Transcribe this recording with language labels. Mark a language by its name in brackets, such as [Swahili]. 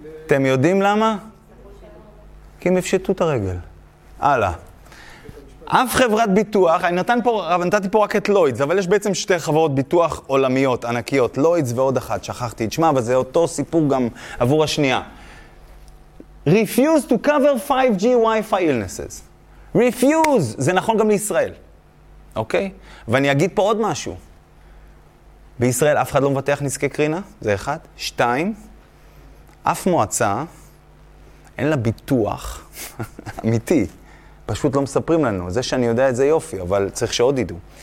[Hebrew] אתם יודעים למה? כי הם יפשטו את הרגל. הלאה. אף חברת ביטוח, אני נתתי פה רק את לוידס, אבל יש בעצם שתי חברות ביטוח עולמיות, ענקיות, לוידס ועוד אחת, שכחתי את שמה, אבל זה אותו סיפור גם עבור השנייה. [English] Refuse to cover 5G Wi-Fi illnesses. [Hebrew] Refuse, זה נכון גם לישראל, אוקיי? ואני אגיד פה עוד משהו. בישראל אף אחד לא מבטח נזקי קרינה, זה אחד. שתיים, אף מועצה אין לה ביטוח אמיתי. פשוט לא מספרים לנו. זה שאני יודע את זה יופי, אבל צריך שעוד ידעו.